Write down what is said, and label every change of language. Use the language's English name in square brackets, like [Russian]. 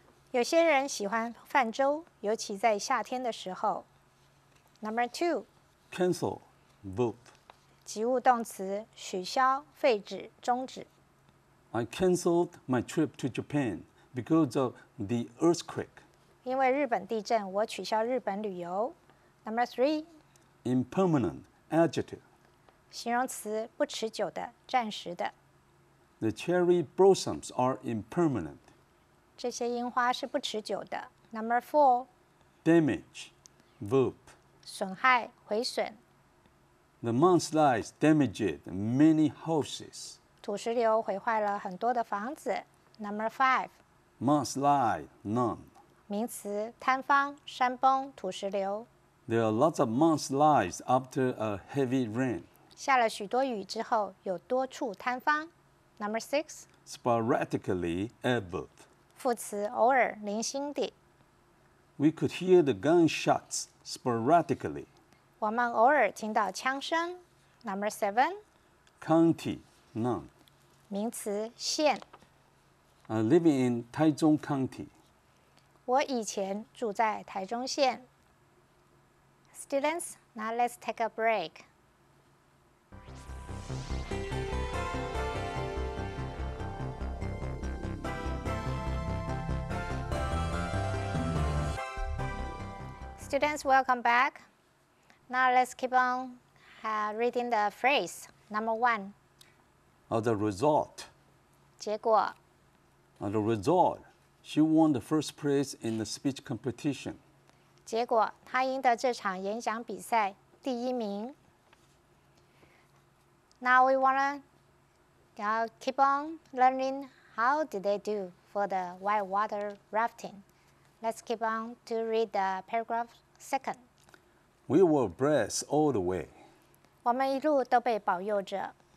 [Chinese] 有些人喜欢泛舟，尤其在夏天的时候 [English] Number two. Cancel, book. [Chinese] 及物动词取消、废止、终止。 [English] I canceled my trip to Japan because of the earthquake. [Chinese] 因为日本地震，我取消日本旅游。 [English] Number three. Impermanent adjective. [Chinese] 形容词不持久的、暂时的。 [English] The cherry blossoms are impermanent. [Chinese] 这些樱花是不持久的。 [English] Number four. Damage, verb. [Chinese] 损害、毁损。 [English] The mudslides damaged many houses. [Chinese] 土石流毁坏了很多的房子。 [English] Number five. Mudslide, noun. [Chinese] 名词，塌方、山崩、土石流。 [English] There are lots of mudslides after a heavy rain. [Chinese] 下了许多雨之后，有多处塌方。 [English] Number six. Sporadically ever. [Chinese] 副词，偶尔、零星地。 [English] We could hear the gunshots sporadically. [Chinese] 我们偶尔听到枪声。 [English] Number seven. County, noun. [Chinese] 名词，县。 [English] I live in Taichung County. [Chinese] 我以前住在台中县。 [English] Students, now let's take a break. Students, welcome back. Now let's keep on reading the phrase. Number one. As a result. [Chinese] 结果 [English] As a result, she won the first place in the speech competition. [Chinese] 结果她赢得这场演讲比赛第一名。 [English] Now we want to keep on learning how did they do for the whitewater rafting. Let's keep on to read the paragraph second. We were blessed all the way. [Chinese] 我们一路都被保佑着。